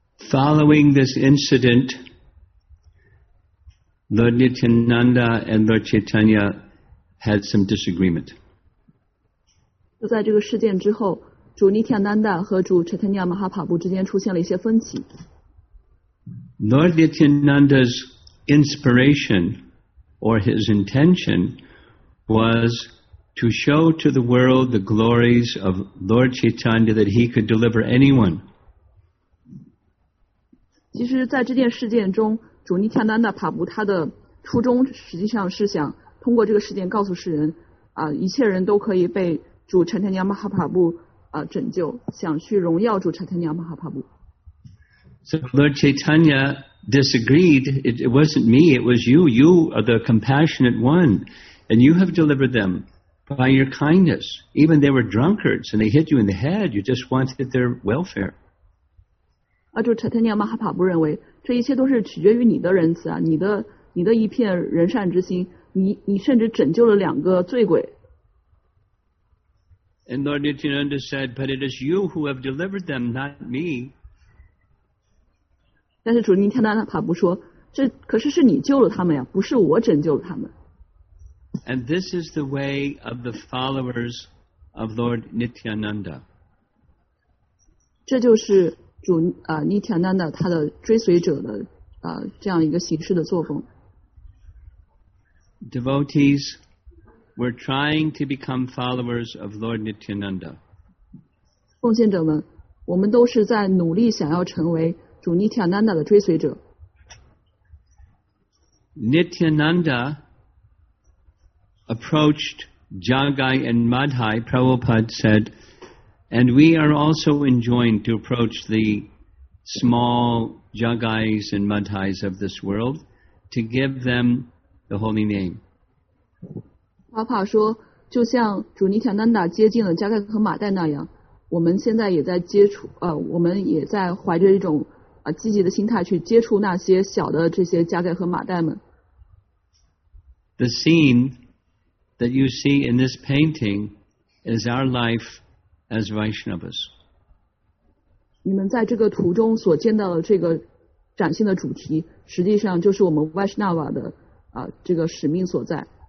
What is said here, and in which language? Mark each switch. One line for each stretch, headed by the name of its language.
English: Following this incident, Lord Nityananda and Lord Chaitanya had some disagreement.
Chinese: 就在这个事件之后，主尼天丹达和主查坦尼亚马哈帕布之间出现了一些分歧。
English: Lord Nityananda's inspiration or his intention was to show to the world the glories of Lord Chaitanya that he could deliver anyone.
Chinese: 其实在这件事件中，主尼天丹达帕布他的初衷实际上是想通过这个事件告诉世人，啊，一切人都可以被主查坦尼亚马哈帕布拯救，想去荣耀主查坦尼亚马哈帕布。
English: So Lord Chaitanya disagreed. It wasn't me, it was you. You are the compassionate one. And you have delivered them by your kindness. Even they were drunkards and they hit you in the head. You just wanted their welfare.
Chinese: 主查坦尼亚马哈帕布认为这一切都是取决于你的仁慈啊，你的一片仁善之心，你甚至拯救了两个醉鬼。
English: And Lord Nityananda said, but it is you who have delivered them, not me.
Chinese: 但是主尼天丹帕布说，这可是你救了他们呀，不是我拯救了他们。
English: And this is the way of the followers of Lord Nityananda.
Chinese: 这就是主尼天丹的他的追随者的这样一个形式的作风。
English: Devotees,We're trying to become followers of Lord Nityananda.
Chinese: 奉献者们，我们都是在努力想要成为主尼天丹达的追随者。
English: Nityananda approached Jagai and Madhai, Prabhupada said, and we are also enjoined to approach the small Jagais and Madhais of this world to give them the holy name.
Chinese: 帕帕说，就像主尼天丹达接近了加盖和马代那样，我们现在也在接触，我们也在怀着一种积极的心态去接触那些小的这些加盖和马代们。
English: The scene that you see in this painting is our life as Vaishnavas.
Chinese: 你们在这个图中所见到的这个崭新的主题，实际上就是我们 Vaishnava 的这个使命所在。